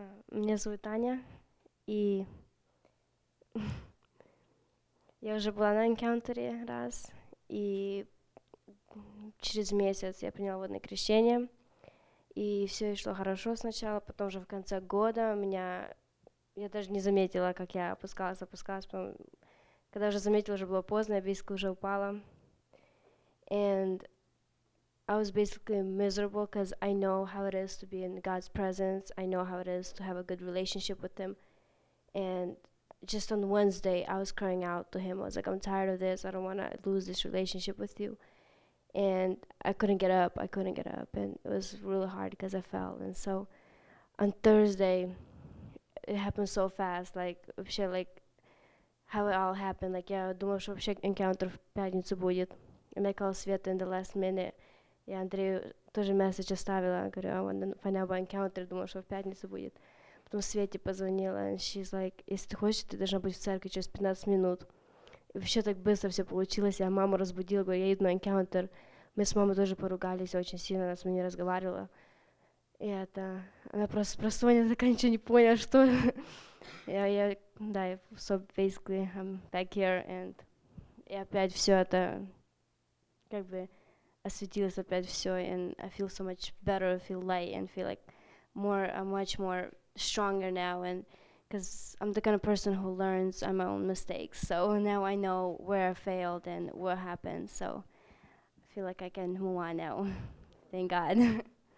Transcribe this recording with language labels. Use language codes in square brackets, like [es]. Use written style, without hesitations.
[ru] Меня зовут Аня, и я уже была на энкаунтере раз, и через месяц я приняла водное крещение, и все шло хорошо сначала, потом же в конце года я даже не заметила, как я опускалась, опускалась, потом, когда уже заметила, уже было поздно, я basically уже упала. [en] And I was basically miserable because I know how it is to be in God's presence. I know how it is to have a good relationship with Him. And just on Wednesday, I was crying out to Him. I was like, I'm tired of this. I don't want to lose this relationship with you. And I couldn't get up. I couldn't get up. And it was really hard because I fell. And so on Thursday, it happened so fast. Like how it all happened. Like, yeah, I [ru] думала, что вообще encounter в пятницу будет. [en] And I called Sveta in the last minute. [ru] Я Андрею тоже месседж оставила, говорю, [en] I want to find out about encounter, [ru] думала, что в пятницу будет. Потом Свете позвонила, [en] and she's like, [ru] если ты хочешь, ты должна быть в церкви через 15 минут. И вообще так быстро все получилось, я маму разбудила, говорю, я иду на encounter. Мы с мамой тоже поругались очень сильно, она с мной не разговаривала. И это, она просто спросонья, такая ничего не поняла, что. [en] Да, so basically, I'm back here, and [ru] и опять все это, как бы, осветилось опять все, [en] and I feel so much better, I feel light, and feel like much more stronger now, and because I'm the kind of person who learns on my own mistakes, so now I know where I failed and what happened, so I feel like I can move on now. Thank God.